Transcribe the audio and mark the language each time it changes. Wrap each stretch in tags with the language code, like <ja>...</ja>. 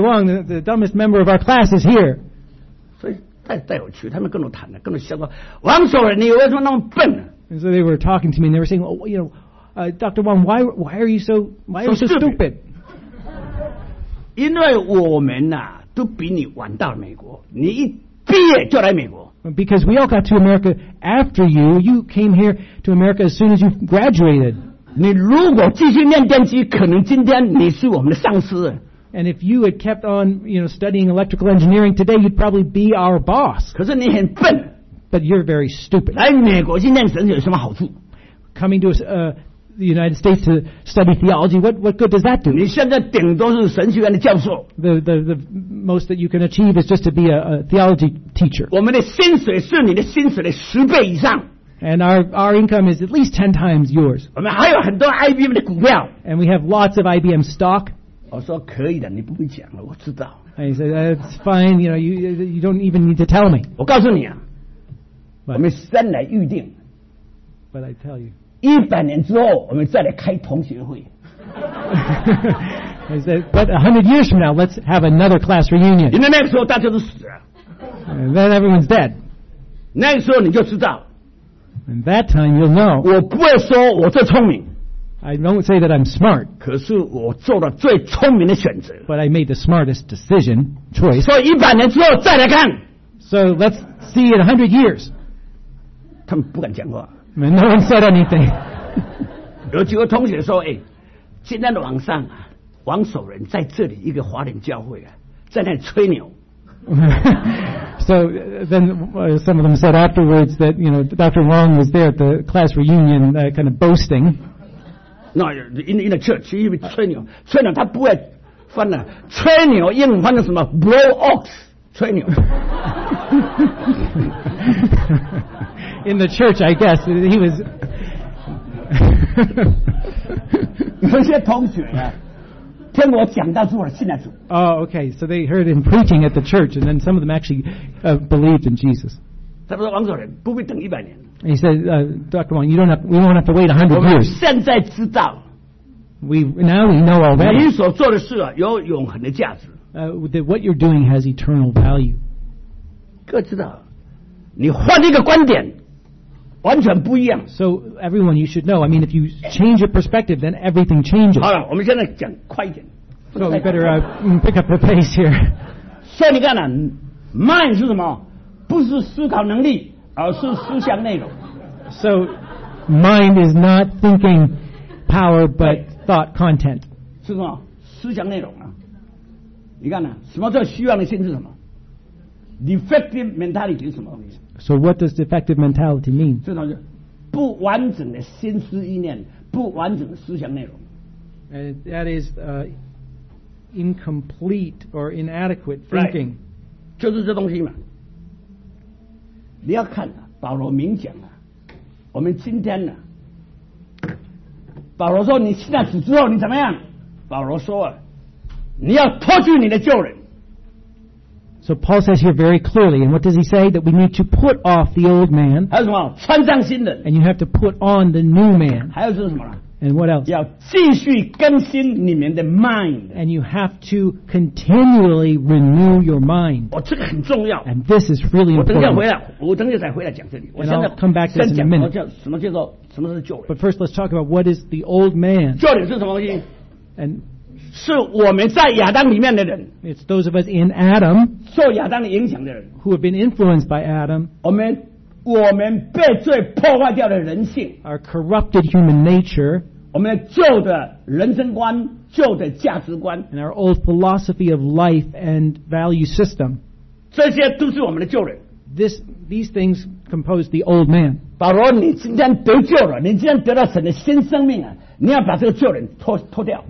<en>Wang, the dumbest member of our class is here。</en> <zh>所以带我去，他们跟我谈了，跟我笑说，王所长，你为什么那么笨呢、啊、</zh> <en>？And so they were talking to me, and they were saying, well, Dr. Wang, why are you so stupid?</en> <zh>因为我们呐、啊、都比你晚到美国，你一毕业就来美国。</zh> <en>Because we all got to America after you. You came here to America as soon as you graduated.</en> <zh>你如果继续念电机，可能今天你是我们的上司。</zh> <en>And if you had kept on, studying electrical engineering today, you'd probably be our boss.</en> <zh>可是你很笨。</zh> <en>But you're very stupid.</en> <zh>来美国去念神学有什么好处</zh> <en>？Coming to the United States to study theology, what good does that do?</en> <zh>你现在顶多是神学院的教授。</zh> <en>The most that you can achieve is just to be a theology teacher.</en> <zh>我们的薪水是你的薪水的十倍以上。</zh> <en>And our income is at least 10 times yours.</en> <zh>我们还有很多 IBM 的股票。</zh> <en>And we have lots of IBM stock.</en> <zh>我说可以的，你不必讲了，我知道。</zh> <en>And he said, that's fine, you don't even need to tell me.</en> <zh>我告诉你啊，</zh> <en>but,</en> <zh>我们先来预定。</zh> <en>But I tell you.</en> <zh>一百年之后，我们再来开同学会。</zh> <en>I said, but 100 years from now, let's have another class reunion.</en> <zh>因为那个时候大家都死了。</zh> <en>And then everyone's dead.</en> <zh>那个时候你就知道。</zh> <en>And that time you'll know.</en> <zh>我不会说我最聪明。</zh> <en>I don't say that I'm smart.</en> <zh>可是我做了最聪明的选择。</zh> <en>But I made the smartest decision choice.</en> <zh>所以一百年之后再来看。</zh> <en>So let's see in 100 years.</en> <zh>他们不敢讲话。</zh> <en>And no one said anything.</en> <zh>有几个同学说，哎，今天的晚上啊，王守仁在这里一个华人教会啊，在那里吹牛。</zh> <en>So then some of them said afterwards that Dr. Wang was there at the class reunion, kind of boasting. No, in the church, he was</en> <zh>吹牛，吹牛他不会翻的，吹牛英文翻的什么</zh> <en>blow ox，</en> <zh>吹牛。</zh> <en>In the church, I guess he was.</en> <zh>有些同学呀，听我讲到之后信了主。</zh> <en>Oh, okay. So they heard him preaching at the church, and then some of them actually believed in Jesus.</en> <zh>他说：“王守仁不必等一百年。”</zh> <en>He said, Dr. Wong, we won't have to wait 100 years.</en> <zh>现在知道,</zh> <en>now we know already.</en> <zh>你所做的事有永恒的价值,</zh> <en>that what you're doing has eternal value.</en> <zh>各知道, 你换一个观点, 完全不一样,</zh> <en>so everyone, you should know. I mean, if you change your perspective, then everything changes.</en> <zh>好了,我们现在讲快一点,</zh> <en>so we better pick up the pace here.</en> <zh>所以你看啊, 慢是什么? 不是思考能力, 而是思想内容。</zh> <en>So, mind is not thinking power, but thought content.</en> <zh>是什么？思想内容啊。你看啊, 什么叫虚妄的心是什么?</zh> <en>Defective mentality</en> <zh>是什么东西?</zh> <en>So what does defective mentality mean?</en> <zh>这种就是不完整的心思意念, 不完整的思想内容。</zh> <en>That is incomplete or inadequate thinking. Right.</en> <zh>就是这东西嘛。你要看,保罗明讲,我们今天,保罗说你信了主之后你怎么样?保罗说,你要脱去你的旧人。</zh> <en>So Paul says here very clearly, and what does he say? That we need to put off the old man.</en> <zh>还有什么?穿上新人。</zh> <en>And you have to put on the new man.</en> <zh>还有是什么?</zh> <en>And what else?</en> <zh>要继续更新你们的mind。</zh> <en>And you have to continually renew your mind.</en> <zh>哦,这个很重要。</zh> <en>And this is really important.</en> <zh>我等一下再回来讲这里。</zh> <en>And I'll come back to this in a minute.</en> <zh>什么叫做什么是旧人?</zh> <en>But first, let's talk about what is the old man.</en> <zh>旧人是什么东西?</zh> <en>And</en> <zh>是我们在亚当里面的人。</zh> <en>It's those of us in Adam.</en> <zh>受亚当的影响的人。</zh> <en>Who have been influenced by Adam.</en> <zh>我们。我们被罪破坏掉的人性,</zh> <en>our corrupted human nature,</en> <zh>我们旧的人生观, 旧的价值观,</zh> <en>and our old philosophy of life and value system,</en> <zh>这些都是我们的旧人,</zh> <en>these things compose the old man.</en> <zh>保罗, 你今天得救了, 你今天得到神的新生命啊, 你要把这个旧人脱掉,</zh>